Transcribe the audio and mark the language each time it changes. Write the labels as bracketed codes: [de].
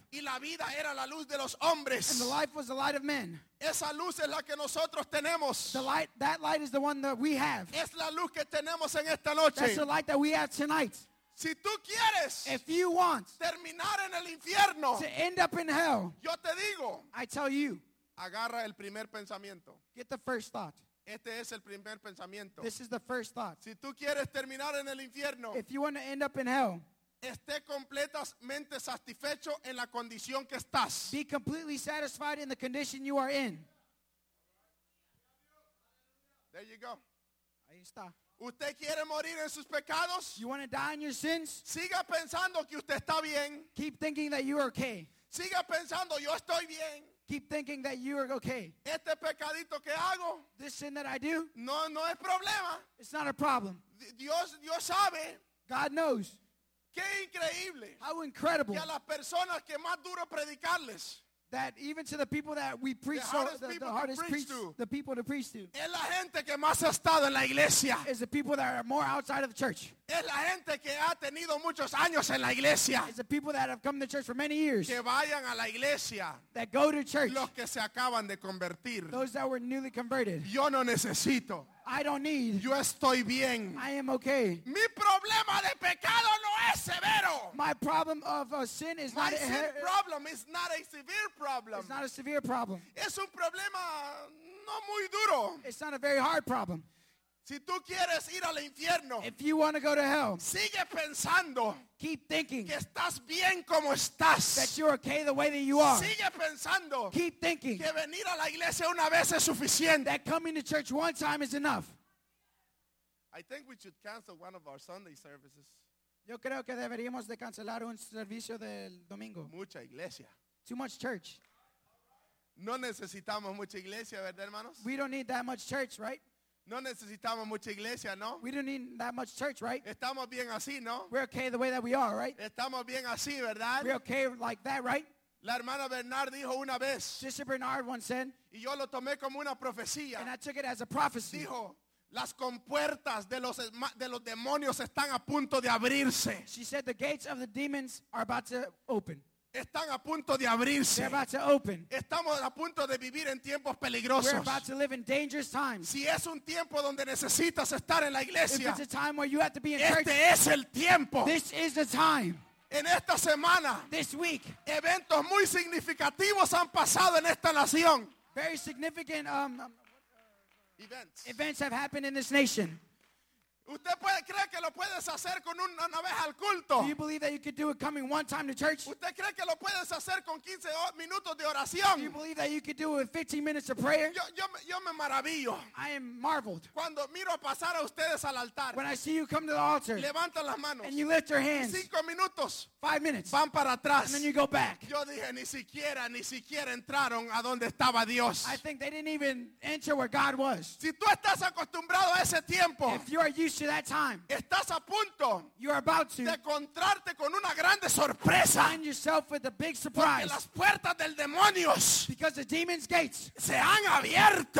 [es] Y la vida era la luz de los hombres. [en] And the life was the light of men. [es] Esa luz es la que nosotros tenemos. [en] The light, that light is the one that we have. [es] Es la luz que tenemos en esta noche. [en] That's the light that we have tonight. [es] Si tú quieres, [en] if you want, [es] terminar en el infierno, [en] to end up in hell, [es] yo te digo, [en] I tell you, [es] agarra el primer pensamiento. [en] Get the first thought. [es] Este es el primer pensamiento. [en] This is the first thought. [es] Si tú quieres terminar en el infierno, [en] if you want to end up in hell, [es] esté completamente satisfecho en la condición que estás. [en] Be completely satisfied in the condition you are in. There you go. [es] Ahí está. ¿Usted quiere morir en sus pecados? [en] You want to die in your sins? [es] Siga pensando que usted está bien. [en] Keep thinking that you are okay. [es] Siga pensando, yo estoy bien. [en] Keep thinking that you are okay. [es] Este pecadito que hago, [en] this sin that I do, [es] no es problema. [en] It's not a problem. [es] Dios sabe. [en] God knows. [es] Qué increíble. [en] How incredible. [es] Y a las personas que más duro predicarles. [en] That even to the people that we preach, the hardest people to preach to. [es] Es la gente que más ha estado en la iglesia. [en] Is the people that are more outside of the church. [es] Es la gente que ha tenido muchos años en la iglesia. [en] Is the people that have come to church for many years. [es] Que vayan a la iglesia. [en] That go to church. [es] Los que se acaban de convertir. [en] Those that were newly converted. [es] Yo no necesito. [en] I don't need. [es] Yo estoy bien. [en] I am okay. [es] Mi problema de pecado no es severo. [en] My problem of sin is not a severe problem. It's not a severe problem. It's not a severe problem. [es] Es un problema no muy duro. [en] It's not a very hard problem. [es] Si tú quieres ir al infierno, [en] if you want to go to hell, [es] sigue pensando, [en] keep thinking, [es] que estás bien como estás, [en] that you're okay the way that you are. [es] Sigue pensando, [en] keep thinking, [es] que venir a la iglesia una vez es suficiente, [en] that coming to church one time is enough. I think we should cancel one of our Sunday services. [es] Yo creo que deberíamos de cancelar un servicio del domingo. Mucha iglesia. [en] Too much church. [es] No necesitamos mucha iglesia, ¿verdad, hermanos? [en] We don't need that much church, right? [es] No necesitamos mucha iglesia, ¿no? [en] We don't need that much church, right? [es] Estamos bien así, ¿no? [en] We're okay the way that we are, right? [es] Estamos bien así, ¿verdad? [en] We're okay like that, right? [es] La hermana Bernard dijo una vez. [en] Sister Bernard once said. [es] Y yo lo tomé como una profecía. [en] And I took it as a prophecy. [es] Dijo, las compuertas de los demonios están a punto de abrirse. [en] She said the gates of the demons are about to open. [es] Están a punto de abrirse. [en] They're about to open. [es] Estamos a punto de vivir en tiempos peligrosos. [en] We're about to live in dangerous times. [es] Si es un tiempo donde necesitas estar en la iglesia, [en] if it's a time where you have to be in [es] este [en] church, [es] es el tiempo. [en] This is the time. [es] En esta semana, [en] this week, [es] eventos muy significativos han pasado en esta nación. [en] Very significant events. Events have happened in this nation. [es] ¿Usted puede, cree que lo puedes hacer con una vez al culto? [en] Do you believe that you could do it coming one time to church? [es] ¿Usted cree que lo puedes hacer con 15 minutos de oración? [en] Do you believe that you could do it with 15 minutes of prayer? [es] Yo me maravillo. [en] I am marveled. [es] Cuando miro pasar a ustedes al altar. [en] When I see you come to the altar. [es] Levanta las manos. [en] And you lift your hands. [es] 5 minutos. [en] 5 minutes. [es] Van para atrás. [en] And then you go back. [es] Yo dije, ni siquiera entraron a donde estaba Dios. [en] I think they didn't even enter where God was. [es] Si tú estás acostumbrado a ese tiempo. [en] If you are used to that time, [es] estás a punto, [en] you are about to, [es] de encontrarte con una grande sorpresa, [en] find yourself with a big surprise, [es] porque las puertas del demonios, [en] because the demons' gates, [es] se han abierto,